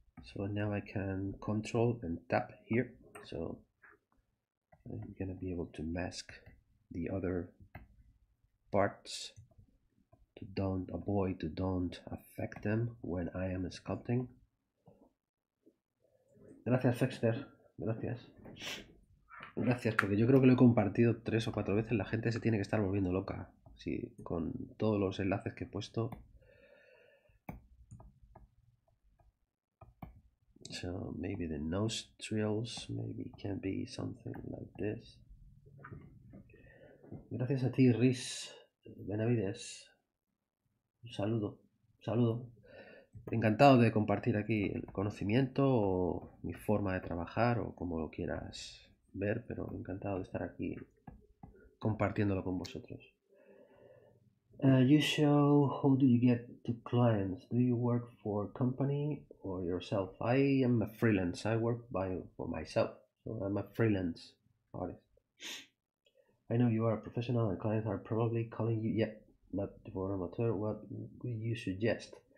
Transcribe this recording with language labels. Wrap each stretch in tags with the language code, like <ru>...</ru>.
<en>So now I can control and tap here, so I'm gonna be able to mask the other parts to don't affect them when I am sculpting.</en> <es>Gracias, Dexter. Gracias. Gracias, porque yo creo que lo he compartido 3 o 4 veces. La gente se tiene que estar volviendo loca. Sí, con todos los enlaces que he puesto.</es> <en>So, maybe the nostrils maybe can be something like this.</en> <es>Gracias a ti, Riz Benavides. Un saludo. Un saludo. Encantado de compartir aquí el conocimiento o mi forma de trabajar o como lo quieras ver, pero encantado de estar aquí compartiéndolo con vosotros.</es> <en>You show how do you get to clients? Do you work for a company or yourself? I am a freelance. I work for myself. So I'm a freelance artist. I know you are a professional and clients are probably calling you. Yeah, but for amateur, what would you suggest?</en>